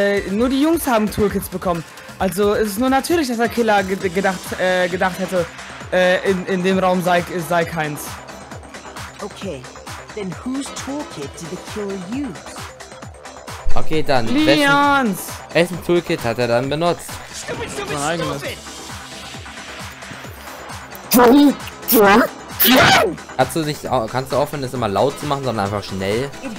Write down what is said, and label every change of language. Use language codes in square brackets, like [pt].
[de] Nur die Jungs haben Toolkits bekommen. Also es ist nur natürlich, dass der Killer gedacht hätte, in dem Raum sei keins. [en] Okay, then whose Toolkit did the Killer use? [de] Okay, dann. Leons! Wessen Toolkit hat er dann benutzt? Kannst du aufhören, das immer laut zu machen, sondern einfach schnell?